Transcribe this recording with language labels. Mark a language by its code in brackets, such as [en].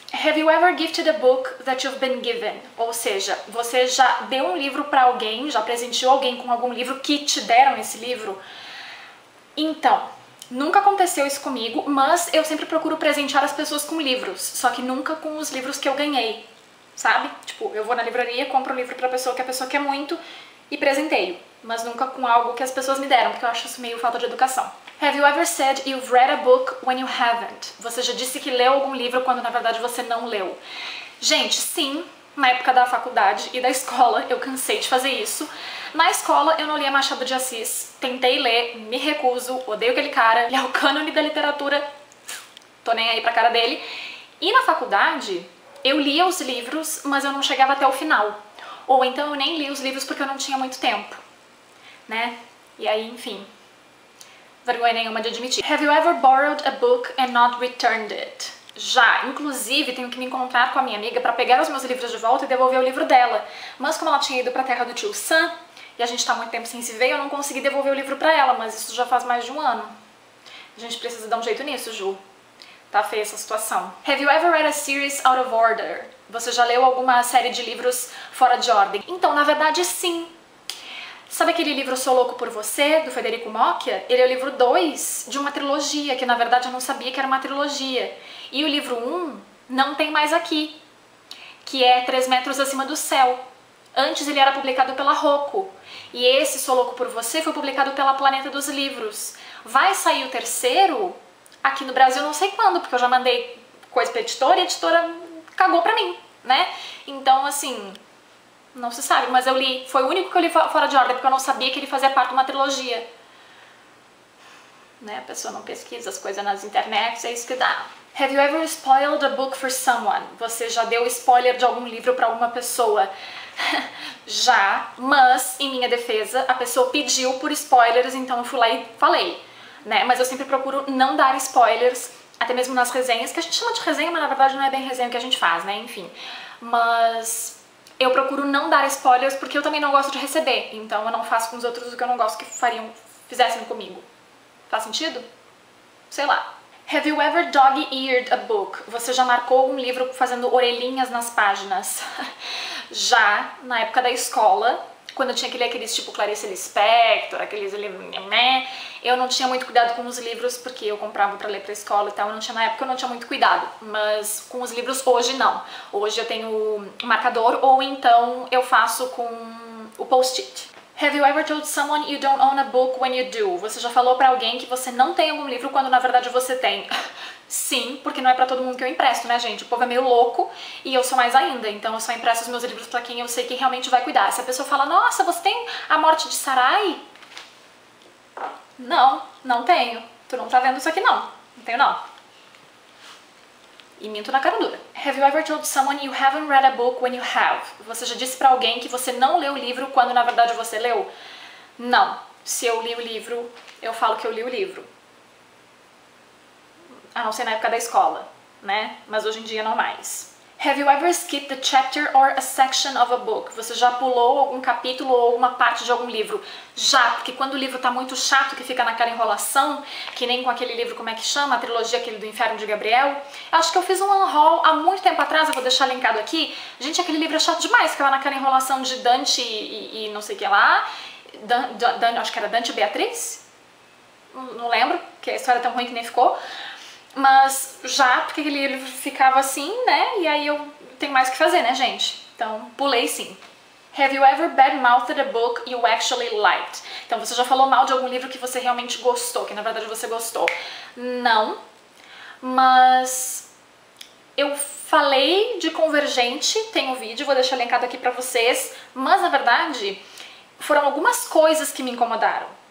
[en] Have you ever gifted a book that you've been given? [pt] Ou seja, você já deu um livro pra alguém, já presenteou alguém com algum livro que te deram esse livro? Então, nunca aconteceu isso comigo, mas eu sempre procuro presentear as pessoas com livros, só que nunca com os livros que eu ganhei, sabe? Tipo, eu vou na livraria, compro um livro pra pessoa que a pessoa quer muito e presenteio, mas nunca com algo que as pessoas me deram, porque eu acho isso meio falta de educação. [en] Have you ever said you've read a book when you haven't? [pt] Você já disse que leu algum livro quando na verdade você não leu. Gente, sim, na época da faculdade e da escola eu cansei de fazer isso. Na escola eu não lia Machado de Assis, tentei ler, me recuso, odeio aquele cara, ele é o cânone da literatura, tô nem aí pra cara dele. E na faculdade eu lia os livros, mas eu não chegava até o final. Ou então eu nem lia os livros porque eu não tinha muito tempo, né? E aí, enfim, vergonha nenhuma de admitir. [en] Have you ever borrowed a book and not returned it? [pt] Já, inclusive, tenho que me encontrar com a minha amiga pra pegar os meus livros de volta e devolver o livro dela. Mas como ela tinha ido pra terra do tio Sam, e a gente tá muito tempo sem se ver, eu não consegui devolver o livro pra ela, mas isso já faz mais de um ano. A gente precisa dar um jeito nisso, Ju. Tá feia essa situação. [en] Have you ever read a series out of order? [pt] Você já leu alguma série de livros fora de ordem? Então, na verdade, sim. Sabe aquele livro Sou Louco por Você, do Federico Moccia? Ele é o livro 2 de uma trilogia, que na verdade eu não sabia que era uma trilogia. E o livro 1 não tem mais aqui, que é 3 metros acima do céu. Antes ele era publicado pela Rocco, e esse Sou Louco por Você foi publicado pela Planeta dos Livros. Vai sair o terceiro aqui no Brasil não sei quando, porque eu já mandei coisa pra editora e a editora cagou pra mim, né? Então, assim, não se sabe, mas eu li, foi o único que eu li fora de ordem, porque eu não sabia que ele fazia parte de uma trilogia. Né? A pessoa não pesquisa as coisas nas internets, é isso que dá. [en] Have you ever spoiled a book for someone? [pt] Você já deu spoiler de algum livro pra alguma pessoa? Já, mas, em minha defesa, a pessoa pediu por spoilers, então eu fui lá e falei, né? Mas eu sempre procuro não dar spoilers, até mesmo nas resenhas, que a gente chama de resenha, mas na verdade não é bem resenha que a gente faz, né? Enfim, mas eu procuro não dar spoilers porque eu também não gosto de receber, então eu não faço com os outros o que eu não gosto que fariam, fizessem comigo. Faz sentido? Sei lá. [en] Have you ever dog-eared a book? [pt] Você já marcou um livro fazendo orelhinhas nas páginas? Já na época da escola, quando eu tinha que ler aqueles tipo Clarice Lispector, aqueles ali, eu não tinha muito cuidado com os livros, porque eu comprava pra ler pra escola e tal, eu não tinha, na época eu não tinha muito cuidado, mas com os livros hoje não. Hoje eu tenho marcador, ou então eu faço com o post-it. [en] Have you ever told someone you don't own a book when you do? [pt] Você já falou pra alguém que você não tem algum livro quando na verdade você tem? Sim, porque não é pra todo mundo que eu empresto, né, gente? O povo é meio louco e eu sou mais ainda, então eu só empresto os meus livros pra quem eu sei que realmente vai cuidar. Se a pessoa fala, nossa, você tem A Morte de Sarai? Não, não tenho. Tu não tá vendo isso aqui, não. Não tenho, não. E minto na cara dura. [en] Have you ever told someone you haven't read a book when you have? [pt] Você já disse pra alguém que você não leu o livro quando na verdade você leu? Não. Se eu li o livro, eu falo que eu li o livro. A não ser na época da escola, né? Mas hoje em dia não mais. [en] Have you ever skipped a chapter or a section of a book? [pt] Você já pulou algum capítulo ou uma parte de algum livro? Já, porque quando o livro tá muito chato, que fica naquela enrolação, que nem com aquele livro, como é que chama? A trilogia, aquele do Inferno de Gabriel. Acho que eu fiz um unhaul há muito tempo atrás, eu vou deixar linkado aqui. Gente, aquele livro é chato demais, que ficava naquela enrolação de Dante e não sei o que lá. Acho que era Dante e Beatriz? Não lembro, porque a história é tão ruim que nem ficou. Mas já, porque aquele livro ficava assim, né? E aí eu tenho mais o que fazer, né, gente? Então, pulei sim. [en] Have you ever badmouthed a book you actually liked? [pt] Então, você já falou mal de algum livro que você realmente gostou, que na verdade você gostou? Não. Mas eu falei de convergente, tem um vídeo, vou deixar linkado aqui pra vocês, mas na verdade foram algumas coisas que me incomodaram.